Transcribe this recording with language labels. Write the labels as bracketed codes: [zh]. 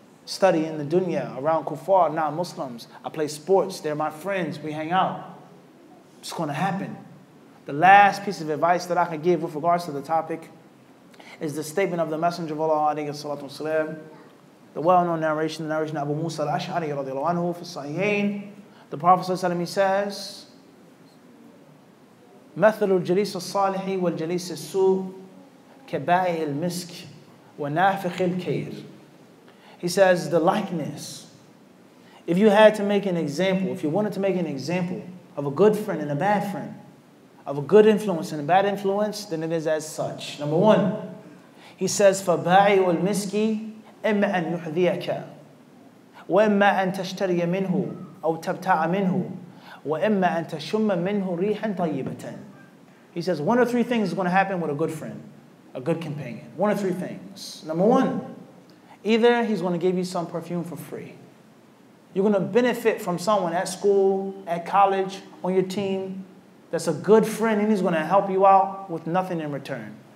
[en] Study in the dunya, around kuffar, non-Muslims. I play sports, they're my friends, we hang out. It's going to happen. The last piece of advice that I can give with regards to the topic is the statement of the Messenger of Allah, alayhi salatu wasalam, the well-known narration, the narration of Abu Musa al-Ash'ari, radiallahu anhu, fi sahihain. The Prophet ﷺ, he says, [ar] مَثَلُ الْجَلِيسُ الصَّالِحِ وَالْجَلِيسِ السُّوءِ كَبَائِ الْمِسْكِ وَنَافِخِ الْكَيْرِ. [en] He says, the likeness. If you had to make an example, if you wanted to make an example of a good friend and a bad friend, of a good influence and a bad influence, then it is as such. Number one, he says, [ar] فَبَائِعُ الْمِسْكِ إِمَّا أَن يُحْذِيَكَ وَإِمَّا أَن تَشْتَرِيَ مِنْهُ أَوْ تَبْتَعَ مِنْهُ وَإِمَّا أَن تَشُمَّ مِنْهُ رِيحًا طَيِّبَةً. [en] He says one of three things is going to happen with a good friend, a good companion. One of three things. Number one, either he's going to give you some perfume for free. You're going to benefit from someone at school, at college, on your team, that's a good friend, and he's going to help you out with nothing in return.